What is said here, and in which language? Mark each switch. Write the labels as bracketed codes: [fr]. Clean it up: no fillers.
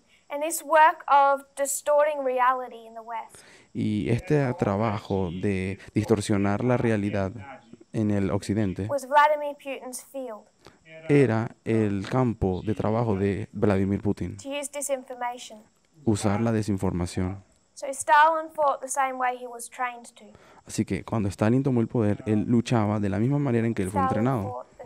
[en] And this work of distorting reality in the West. [es] Y este trabajo de distorsionar la realidad en el occidente. [en] Was Vladimir Putin's field. [es] Era el campo de trabajo de Vladimir Putin. [en] To use disinformation. [es] Usar la desinformación. [en] So Stalin fought the same way he was trained to. [es] Así que cuando Stalin tomó el poder, él luchaba de la misma manera en que él fue entrenado.